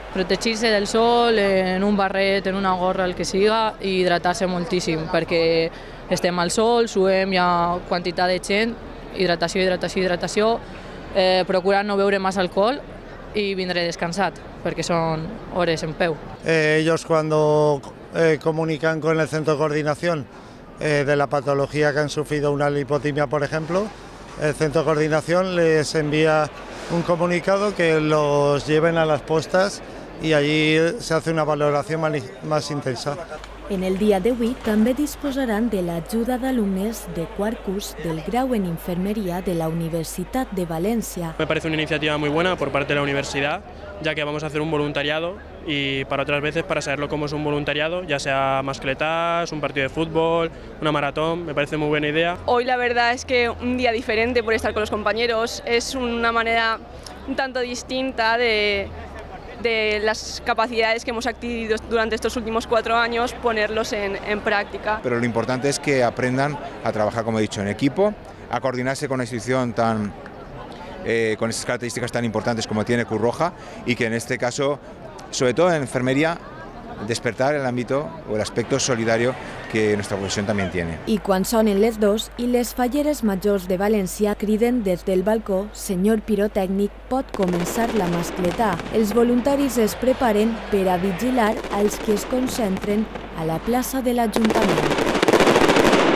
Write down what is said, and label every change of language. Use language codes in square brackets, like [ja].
[ca] Protegir-se del sol, en un barret, en una gorra, el que siga, i hidratar-se moltíssim, perquè estem al sol, suem, hi ha quantitat de gent, hidratació, hidratació, hidratació, procurar no beure massa alcohol i vindre descansat, perquè són hores en peu. [es] Ellos cuando comunican con el centro de coordinación de la patología que han sufrido una lipotimia, por ejemplo, el centro de coordinación les envía un comunicado que los lleven a las postas y allí se hace una valoración más intensa. [ca] En el dia d'avui també disposaran de l'ajuda d'alumnes de quart curs del grau en infermeria de la Universitat de València. [es] Me parece una iniciativa muy buena por parte de la universidad, ya que vamos a hacer un voluntariado y para otras veces, para saberlo cómo es un voluntariado, ya sea mascletas, un partido de fútbol, una maratón, me parece muy buena idea. Hoy la verdad es que un día diferente por estar con los compañeros, es una manera un tanto distinta de las capacidades que hemos adquirido durante estos últimos 4 años, ponerlos en práctica. Pero lo importante es que aprendan a trabajar, como he dicho, en equipo, a coordinarse con una institución con esas características tan importantes como tiene Cruz Roja, y que en este caso, sobre todo en enfermería, despertar el ámbito o el aspecto solidario que nuestra profesión también tiene. [ca] I quan sonen les 2 i les falleres majors de València criden des del balcó, senyor pirotècnic, pot començar la mascletà. Els voluntaris es preparen per a vigilar els que es concentren a la plaça de l'Ajuntament.